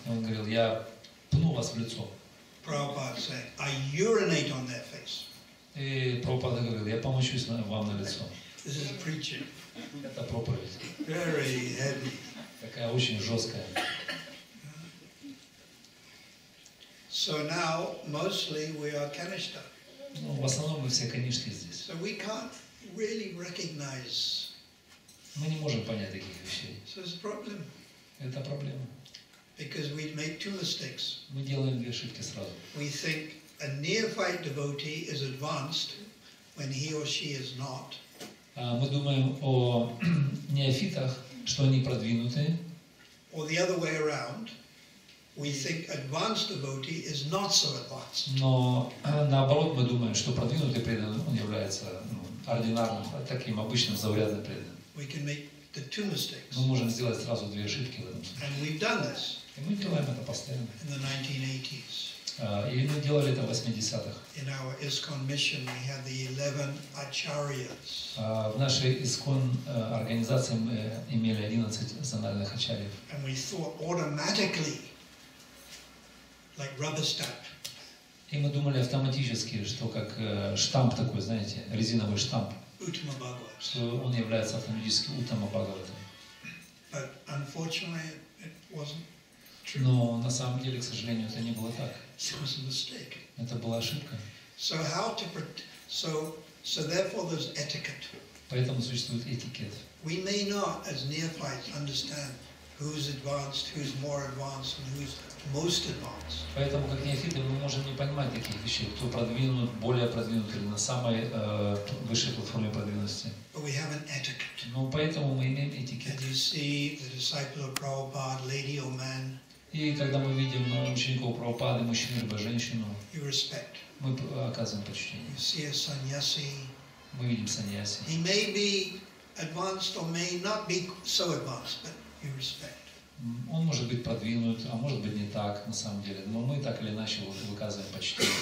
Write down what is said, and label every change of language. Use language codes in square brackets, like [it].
[ru] И он говорил, я пну вас в лицо. [en] Prabhupada said, I urinate on their face. [ru] И Прабхупада говорил, я помочусь вам на лицо. [en] This is preaching. [ru] Это проповедь. [en] Very heavy. [ru] Такая очень жесткая. [en] So now, mostly we are kanishta. [ru] Ну, в основном мы все конишки здесь. [en] So we can't really recognize. [ru] Мы не можем понять таких вещей. [en] So it's a problem. [ru] Это проблема. [en] Because we make two mistakes. [ru] Мы делаем две ошибки сразу. [en] We think a neophyte devotee is advanced when he or she is not. [ru] Мы думаем о неофитах, что они продвинутые. [en] Or the other way around. We think advanced devotee is not so advanced. [ru] Но наоборот мы думаем, что продвинутый преданный он является ординарным, таким обычным заурядным преданным. [en] We can make the two mistakes. [ru] Мы можем сделать сразу две ошибки в этом случае. [en] And we've done this. [ru] И мы делаем это постоянно. [en] In the 1980s. [ru] И мы делали это в 80-х. [en] In our ISKCON mission, we had the 11 acharyas. [ru] В нашей ISKCON организации мы имели 11 зональных ачарьев. [en] And we thought automatically. Like rubber stamp. [ru] И мы думали автоматически, что как штамп такой, знаете, резиновый штамп. [sa] Uttama Bhagavata. [ru] Что он является автоматически Uttama Bhagavata. [en] But unfortunately, it wasn't true. [ru] Но на самом деле, к сожалению, это не было так. [en] It was a mistake. [ru] Это была ошибка. [en] So how to so therefore there's etiquette. [ru] Поэтому существует этикет. [en] We may not, as neophytes, understand who's advanced, who's more advanced, and who's most advanced. [ru] Поэтому как неофиты мы можем не понимать таких вещей, кто продвинут, более продвинут или на самой высшей платформе продвинутости. [en] But we have an etiquette. [ru] Но поэтому мы имеем этикет. [en] And you see the disciple of Prabhupada, lady or man. [ru] И когда мы видим учеников Прабхупады, мужчину либо женщину, [en] you respect. [ru] Мы оказываем почтение. [en] You see a sannyasi. [ru] Мы видим sannyasi. [en] He may be advanced or may not be so advanced, but you respect. [ru] Он может быть продвинут, а может быть не так, на самом деле. Но мы так или иначе выказываем почтение.